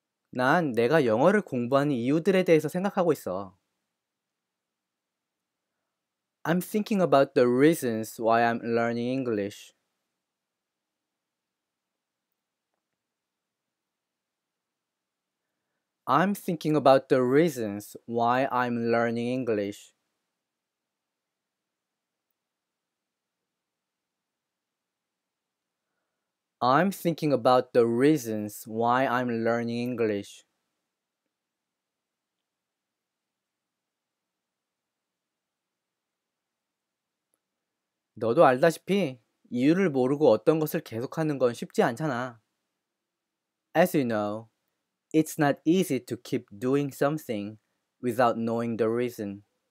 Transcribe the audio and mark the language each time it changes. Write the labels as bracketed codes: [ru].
[ko] 난 내가 영어를 공부하는 이유들에 대해서 생각하고 있어. [en] I'm thinking about the reasons why I'm learning English. I'm thinking about the reasons why I'm learning English. I'm thinking about the reasons why I'm learning English. [ko] 너도 알다시피 이유를 모르고 어떤 것을 계속하는 건 쉽지 않잖아. [en] As you know, it's not easy to keep doing something without knowing the reason.